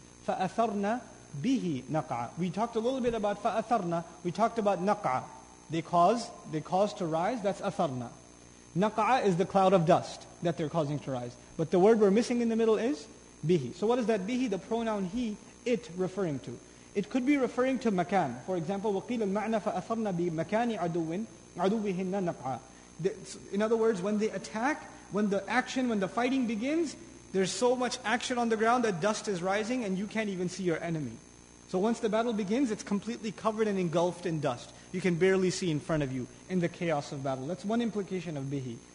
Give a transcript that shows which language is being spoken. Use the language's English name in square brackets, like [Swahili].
[Arabic] فَأَثَرْنَا bihi naqa. [English] We talked a little bit about fa'atharna. We talked about naqa. They cause to rise. That's atharna. Naqa is the cloud of dust that they're causing to rise. But the word we're missing in the middle is bihi. So what is that bihi? The pronoun he, it referring to. It could be referring to makan. For example, [Arabic] وَقِيلَ الْمَعْنَى فَأَثَرْنَا بِمَكَانِ عَدُوِّهِنَّ naqa. [English] In other words, when they attack, when the fighting begins, there's so much action on the ground that dust is rising and you can't even see your enemy. So once the battle begins, it's completely covered and engulfed in dust. You can barely see in front of you in the chaos of battle. That's one implication of bihi.